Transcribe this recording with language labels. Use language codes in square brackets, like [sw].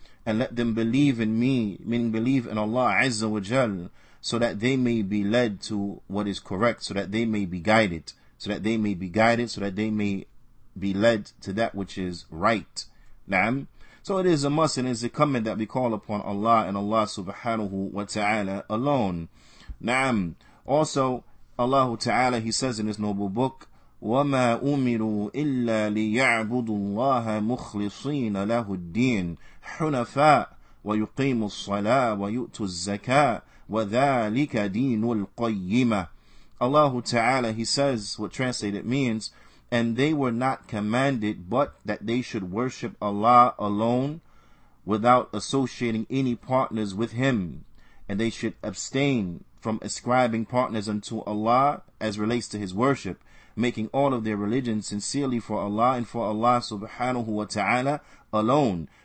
[en] And let them believe in me, meaning believe in Allah Azza wa Jal, so that they may be led to what is correct, so that they may be guided, so that they may be guided, so that they may be led to that which is right. Na'am. So it is a must and it is a coming that we call upon Allah and Allah subhanahu wa ta'ala alone. Na'am. Also, Allah Ta'ala, he says in his noble book, [ar] وَمَا أُمِرُوا إِلَّا لِيَعْبُدُوا اللَّهَ مُخْلِصِينَ لَهُ الدِّينَ حُنَفَاءَ وَيُقِيمُوا الصَّلَاةَ وَيُؤْتُوا الزَّكَاءَ وَذَلِكَ دِينُ الْقَيِّمَةِ. [en] Allah Ta'ala, he says, what translated means, and they were not commanded but that they should worship Allah alone without associating any partners with him, and they should abstain from ascribing partners unto Allah as relates to his worship, making all of their religion sincerely for Allah and for Allah subhanahu wa ta'ala alone.